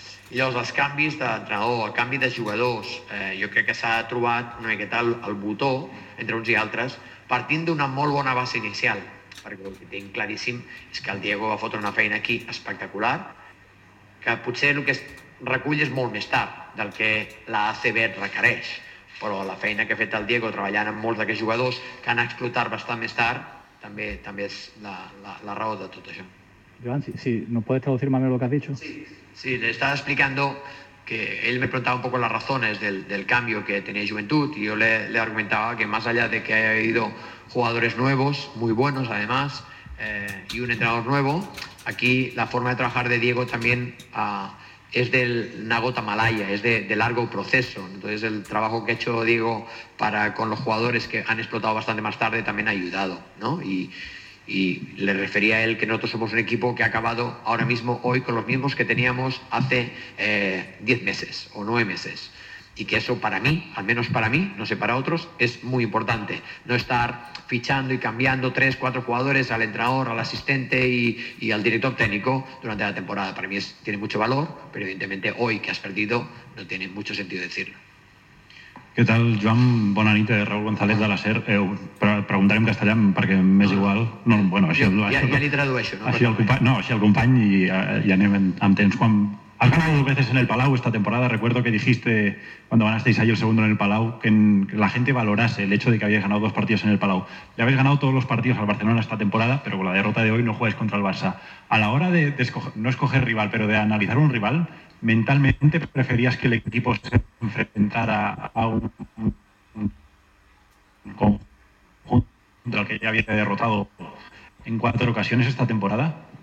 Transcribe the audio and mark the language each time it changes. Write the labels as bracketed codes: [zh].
[ca] I llavors els canvis d'entrenador, el canvi de jugadors, jo crec que s'ha trobat una miqueta el botó entre uns i altres, partint d'una molt bona base inicial, perquè el que tinc claríssim és que el Diego va fotre una feina aquí espectacular, que potser el que recull és molt més tard del que la ACB requereix, però la feina que ha fet el Diego treballant amb molts d'aquests jugadors que han explotat bastant més tard també és la raó de tot això. [es] Joan, si no puedes traducir más lo que has dicho. Sí, le estaba explicando que él me preguntaba un poco las razones del cambio que tenía Juventud, y yo le argumentaba que más allá de que haya habido jugadores nuevos, muy buenos además, y un entrenador nuevo, aquí la forma de trabajar de Diego también es del Nagot Amalaya, es de largo proceso. Entonces el trabajo que ha hecho Diego con los jugadores que han explotado bastante más tarde también ha ayudado, ¿no? Y le refería a él que nosotros somos un equipo que ha acabado ahora mismo hoy con los mismos que teníamos hace 10 meses o 9 meses. y que eso para mí, al menos para mí, no sé para otros, es muy importante. No estar fichando y cambiando 3-4 jugadores al entrenador, al asistente y al director técnico durante la temporada. Para mí es, tiene mucho valor, pero evidentemente hoy que has perdido no tiene mucho sentido decirlo. [ca] Què tal, Joan? Bona nit, Raúl González de la SER. Preguntaré en castellà perquè m'és igual. No, bueno, així, ja, ja li tradueixo. No? Així el company, no, així el company i ja anem amb temps. [es] Quan has ganado dos veces en el Palau esta temporada, recuerdo que dijiste cuando ganasteis ahí el segundo en el Palau que la gente valorase el hecho de que habías ganado dos partidos en el Palau. Ya habéis ganado todos los partidos al Barcelona esta temporada, pero con la derrota de hoy no jugáis contra el Barça. A la hora de escoger, no escoger rival, pero de analizar un rival, ¿mentalmente preferías que el equipo se enfrentara a un conjunto contra el que ya había derrotado en 4 ocasiones esta temporada?